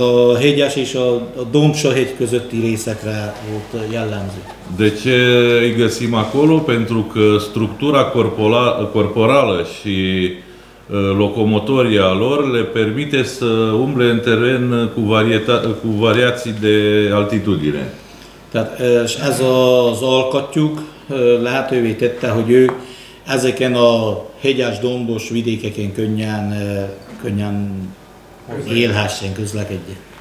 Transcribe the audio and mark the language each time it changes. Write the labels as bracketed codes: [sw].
[hu] a hegyes és a Domsa hegy közötti részekre volt jellemző. [ro] De ce îi găsim acolo? Pentru că structura corporală și locomotoria lor le permite să umble în teren cu variații de altitudine. [hu] Tehát ez az alkatjuk lehetővé tette, hogy ő ezeken a hegyes dombos vidékeken könnyen élhessen, közlekedjen.